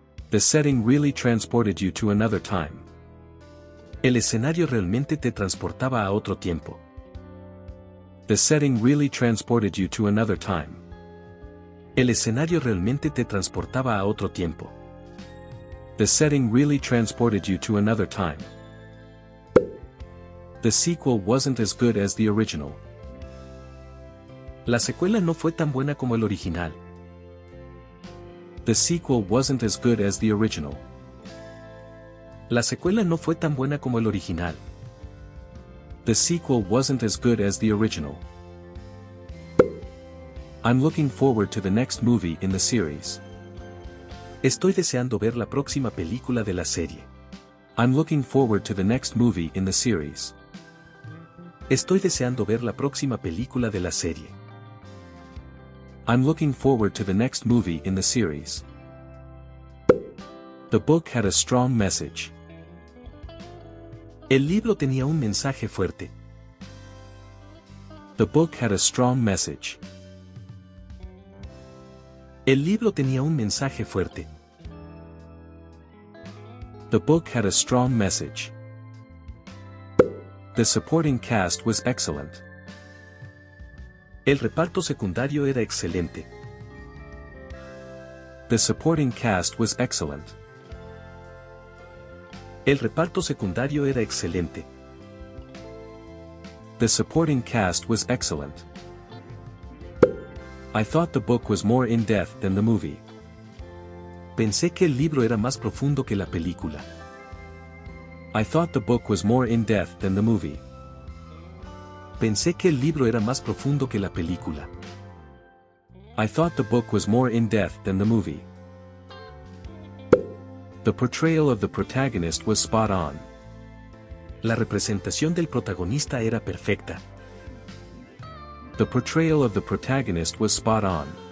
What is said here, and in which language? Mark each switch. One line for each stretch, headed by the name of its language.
English: The setting really transported you to another time.
Spanish: El escenario realmente te transportaba a otro tiempo.
English: The setting really transported you to another time.
Spanish: El escenario realmente te transportaba a otro tiempo.
English: The setting really transported you to another time. The sequel wasn't as good as the original.
Spanish: La secuela no fue tan buena como el original.
English: The sequel wasn't as good as the original.
Spanish: La secuela no fue tan buena como el original.
English: The sequel wasn't as good as the original. I'm looking forward to the next movie in the series.
Spanish: Estoy deseando ver la próxima película de la serie.
English: I'm looking forward to the next movie in the series.
Spanish: Estoy deseando ver la próxima película de la serie.
English: I'm looking forward to the next movie in the series. The book had a strong message.
Spanish: El libro tenía un mensaje fuerte.
English: The book had a strong message.
Spanish: El libro tenía un mensaje fuerte.
English: The book had a strong message. The supporting cast was excellent.
Spanish: El reparto secundario era excelente.
English: The supporting cast was excellent.
Spanish: El reparto secundario era excelente.
English: The supporting cast was excellent. I thought the book was more in-depth than the movie.
Spanish: Pensé que el libro era más profundo que la película.
English: I thought the book was more in-depth than the movie.
Spanish: Pensé que el libro era más profundo que la película.
English: I thought the book was more in-depth than the movie. The portrayal of the protagonist was spot on.
Spanish: La representación del protagonista era perfecta.
English: The portrayal of the protagonist was spot on.